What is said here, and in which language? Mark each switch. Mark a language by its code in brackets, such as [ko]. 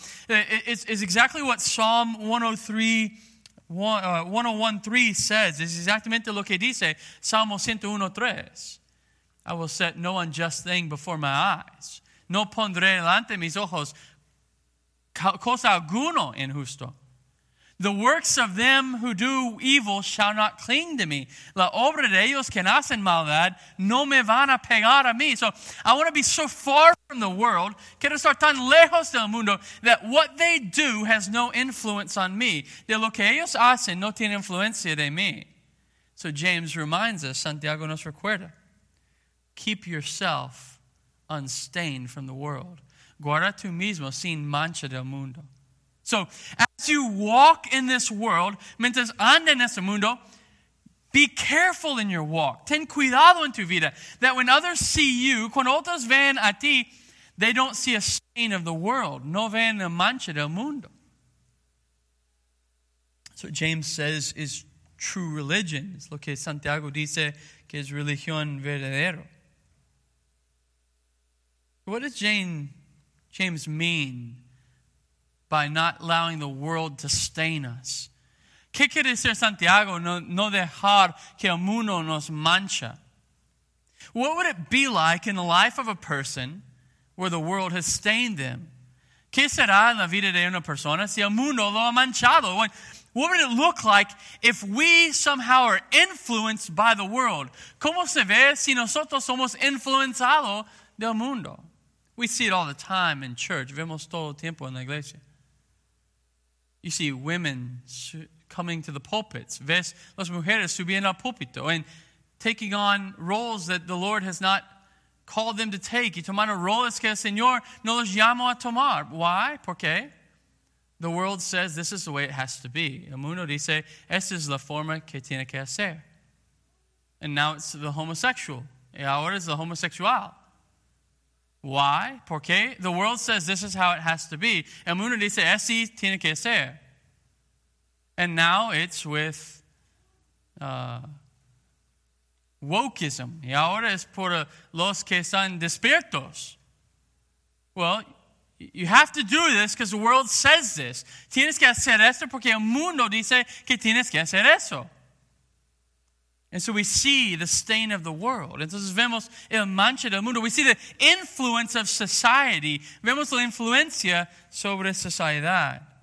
[en] So it's exactly what Psalm 101:3 says. [es] Es exactamente lo que dice Salmo 101:3. [en] I will set no unjust thing before my eyes. [es] No pondré delante mis ojos cosa alguno injusto. [en] The works of them who do evil shall not cling to me. [es] La obra de ellos que hacen maldad no me van a pegar a mí. [en] So I want to be so far from the world, [es] quiero estar tan lejos del mundo, [en] that what they do has no influence on me. [es] De lo que ellos hacen no tiene influencia de mí. [en] So James reminds us, [es] Santiago nos recuerda, [en] keep yourself unstained from the world. [es] Guarda tú mismo sin mancha del mundo. [en] So, as you walk in this world, [es] mientras andas en este mundo, [en] be careful in your walk. [es] Ten cuidado en tu vida. [en] That when others see you, [es] cuando otros ven a ti, [en] they don't see a stain of the world. [es] No ven la mancha del mundo. [en] So, James says is true religion. [es] Es lo que Santiago dice que es religión verdadero. [en] What does James mean by not allowing the world to stain us? [es] ¿Qué quiere decir Santiago? No dejar que el mundo nos mancha. [en] What would it be like in the life of a person where the world has stained them? [es] ¿Qué será en la vida de una persona si el mundo lo ha manchado? [en] What would it look like if we somehow are influenced by the world? [es] ¿Cómo se ve si nosotros somos influenciados del mundo? [en] We see it all the time in church. [es] Vemos todo el tiempo en la iglesia. [en] You see women coming to the pulpits. [es] Ves las mujeres subiendo al púlpito. [en] And taking on roles that the Lord has not called them to take. [es] Y tomaron roles que el Señor no los llamó a tomar. [en] Why? [es] ¿Por qué? [en] The world says this is the way it has to be. [es] El mundo dice, esta es la forma que tiene que hacer. [en] And now it's the homosexual. [es] Y ahora es el homosexual. [en] Why? [es] ¿Por qué? [en] The world says this is how it has to be. [es] El mundo dice, así tiene que ser. [en] And now it's with wokeism. [es] Y ahora es por los que están despiertos. [en] Well, you have to do this because the world says this. [es] Tienes que hacer esto porque el mundo dice que tienes que hacer eso. [en] And so we see the stain of the world. [es] Entonces vemos el mancha del mundo. [en] We see the influence of society. [es] Vemos la influencia sobre sociedad.